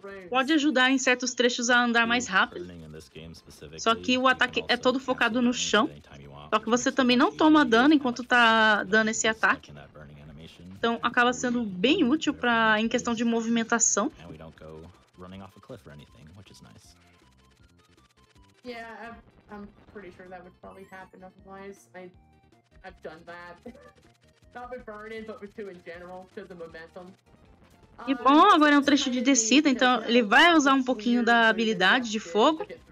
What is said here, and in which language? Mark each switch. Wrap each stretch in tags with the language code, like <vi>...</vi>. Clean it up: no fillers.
<pt>Pode ajudar em certos trechos a andar mais rápido. Só que o ataque é todo focado no chão. Só que você também não toma dano enquanto tá dando esse ataque. Então acaba sendo bem útil pra, em questão de movimentação.</pt> <en>Running off a cliff or anything, which is nice. Yeah, I'm pretty sure that would probably happen otherwise. I've done that. Not with burning, but with two in general, because of momentum.</en> <pt>E bom, agora é um trecho de descida, então ele vai usar um pouquinho da habilidade de fogo.</pt>